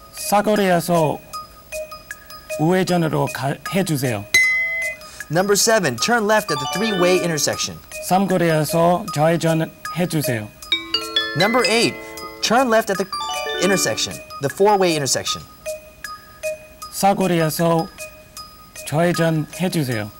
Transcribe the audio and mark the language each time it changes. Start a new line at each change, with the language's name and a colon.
Korean: 사거리에서 우회전으로 해주세요.
English: Number seven, turn left at the three-way intersection.
Korean: 삼거리에서 좌회전 해주세요.
English: Number eight, turn left at the intersection, the four-way intersection.
Korean: 사거리에서 좌회전 해주세요.